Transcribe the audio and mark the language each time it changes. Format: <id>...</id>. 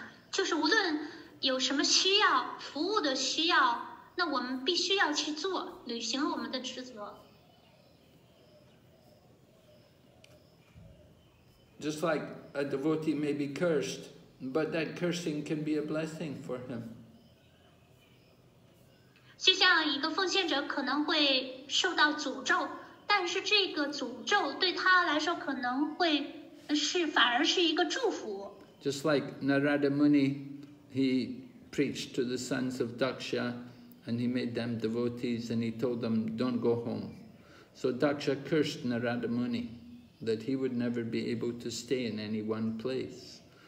<zh>就是无论有什么需要服务的需要，那我们必须要去做，履行我们的职责。</zh> <en>Just like a devotee may be cursed, but that cursing can be a blessing for him.</en> <zh>就像一个奉献者可能会受到诅咒，但是这个诅咒对他来说可能会是反而是一个祝福。</zh> <en>Just like Narada Muni, he preached to the sons of Daksha and he made them devotees and he told them, don't go home. So Daksha cursed Narada Muni that he would never be able to stay in any one place.</en>